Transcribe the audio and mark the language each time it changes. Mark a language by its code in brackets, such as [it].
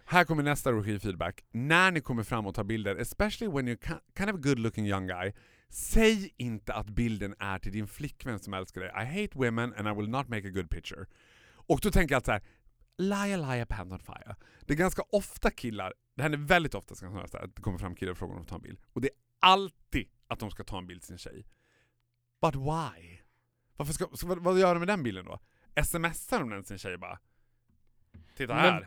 [sv] Här kommer nästa regifeedback. När ni kommer fram och tar bilder, [en] especially when you kind of a good looking young guy, [sv] säg inte att bilden är till din flickvän som älskar dig. [en] I hate women and I will not make a good picture. [sv] Och då tänker jag så här, [en] liar, liar, pants on fire. [sv] Det är ganska ofta killar, det händer väldigt ofta så här, att det kommer fram killar och frågar om att ta en bild. Och det är alltid att de ska ta en bild sin tjej. [en] But why? [sv] Varför ska, så vad gör de med den bilden då? Smsar de den sin tjej bara? Titta här.